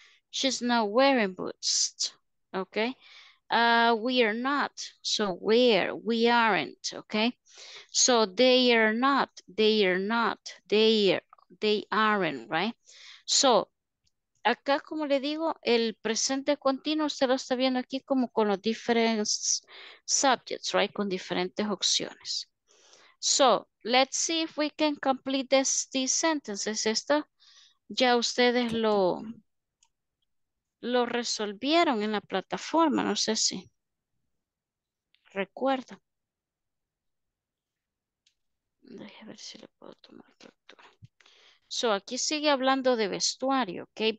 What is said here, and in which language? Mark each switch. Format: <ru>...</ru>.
<en>She's not wearing boots, ¿ok? We are not, so we aren't, ¿ok? So, they aren't, right?</en> <es>So, acá como le digo, el presente continuo usted lo está viendo aquí como con los diferentes subjects, right? Con diferentes opciones.</es> <en>So, let's see if we can complete these sentences.</en> <es>Esto ya ustedes lo resolvieron en la plataforma, no sé si recuerda. Deje ver si le puedo tomar captura. So, aquí sigue hablando de vestuario, ¿ok?</es>